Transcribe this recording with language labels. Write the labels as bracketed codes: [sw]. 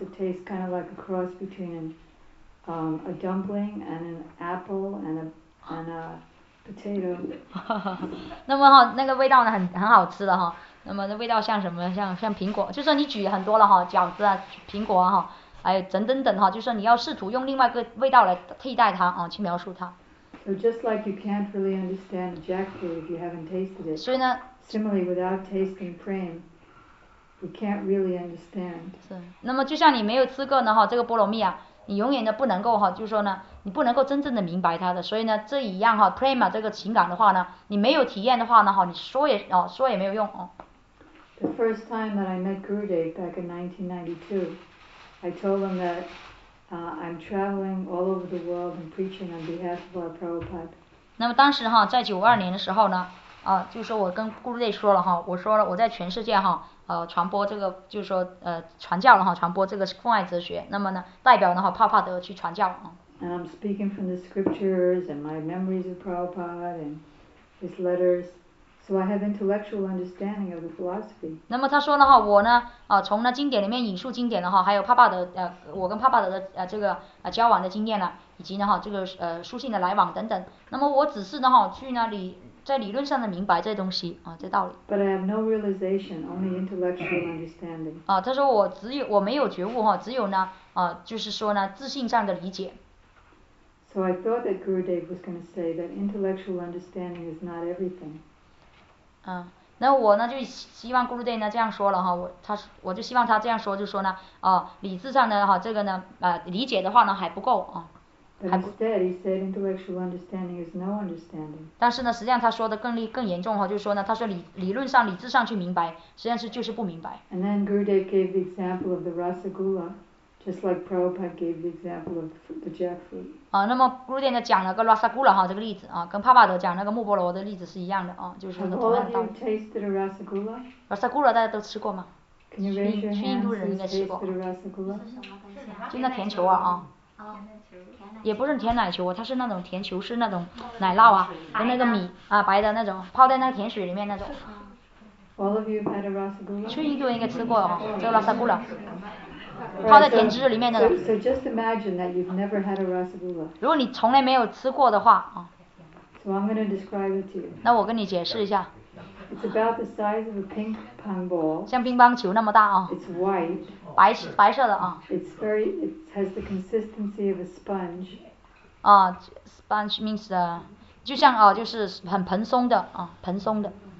[en] It tastes kind of like a cross between a dumpling and an apple and a potato. [zh] 那么哈，那个味道呢，很好吃的哈。那么那味道像什么？像苹果，就说你举很多了哈，饺子啊，苹果啊，还有等等哈，就说你要试图用另外一个味道来替代它去描述它。 [en] So just like you can't really understand jackfruit if you haven't tasted it. [zh] 所以呢 [en] ，similarly without tasting prem. You can't really understand. [zh] 是，那么就像你没有吃过呢哈，这个菠萝蜜啊，你永远都不能够哈，就是说呢，你不能够真正的明白它的。所以呢，这一样哈 ，prema 这个情感的话呢，你没有体验的话呢哈，你说也说也没有用 [en] The first time that I met Gurudev back in 1992, I told him that I'm traveling all over the world and preaching on behalf of our Prabhupada. [zh] 那么当时哈，在92年的时候呢，就是说我跟 Gurudev 说了哈，我说了我在全世界哈。传播这个就是说传教了哈，传播这个奉爱哲学。那么呢，代表呢哈，帕帕德去传教 [en] And I'm speaking from the scriptures and my memories of Prabhupada and his letters. So I have intellectual understanding of the philosophy. [zh] 那么他说的话，我呢，从那经典里面引述经典的话，还有帕帕德，我跟帕帕德的这个交往的经验呢，以及呢哈这个书信的来往等等。那么我只是呢哈去那里在理论上的明白这东西这道理。 [en] But I have no realization, only intellectual understanding. [zh] 他说我只有我没有觉悟哈，只有呢就是说呢自信上的理解。 [en] So I thought that Gurudev was going to say that intellectual understanding is not everything. [zh] 那我呢就希望 Gurudev 呢这样说了哈，我就希望他这样说，就说呢理智上的哈这个呢理解的话呢还不够啊。 [en] Instead, he said intellectual understanding is no understanding. [zh] 但是呢，实际上他说的更严重哈，就是说呢，他说理论上理智上去明白，实际上是就是不明白。 [en] And then Gurudev gave the example of the rasagula, just like Prabhupada gave the example of the jackfruit. [zh] 那么 Gurudev 呢讲了个 rasagula 哈这个例子跟帕帕德讲那个木菠萝的例子是一样的就是说同样 [en] 道理。Have all of you tasted a rasagula? [zh] Rasagula 大家都吃过吗？ [en] Can you raise your hands? [zh] 去印度人应该吃过。 [en] Tasted a rasagula? [zh] 就那甜球啊。也不是甜奶球，它是那种甜球，是那种奶酪啊，跟那个米白的那种，泡在那个甜水里面那种。 [en] All of you had a rasagula. [zh] 去印度应该吃过这个 rasagula， 泡在甜汁里面的。 [en] So just imagine that you've never had a rasagula. [zh] 如果你从来没有吃过的话 [en] So I'm going to describe it to you. [zh] 那我跟你解释一下。 [en] It's about the size of a ping pong ball. [zh] 像乒乓球那么大 [en] It's white. [zh] 白色的 [en] It's very. It has the consistency of a sponge. Sponge means [zh] 就像就是很蓬松的蓬松的。